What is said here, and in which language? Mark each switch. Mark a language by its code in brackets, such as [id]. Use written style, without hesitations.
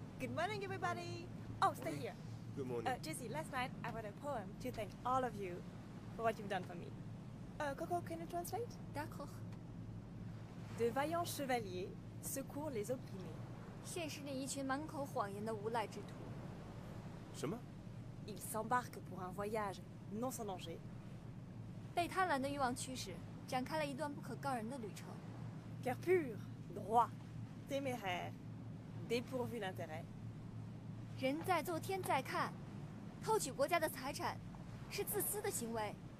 [en] ？Good morning, everybody. Oh, stay here. Good morning. Jesse, last night I wrote a poem to thank all of you. For what you've done for me. Coco, can you translate? [fr] D'accord. De vaillants chevaliers secourent les opprimés. [zh] 现实里一群满口谎言的无赖之徒。什么？ [fr] Ils s'embarquent pour un voyage non sans danger. [zh] 被贪婪的欲望驱使，展开了一段不可告人的旅程。 [fr] Cœur pur, droit, téméraire, dépourvu d'intérêt. [zh] 人在做天在看，偷取国家的财产。是自私的行为。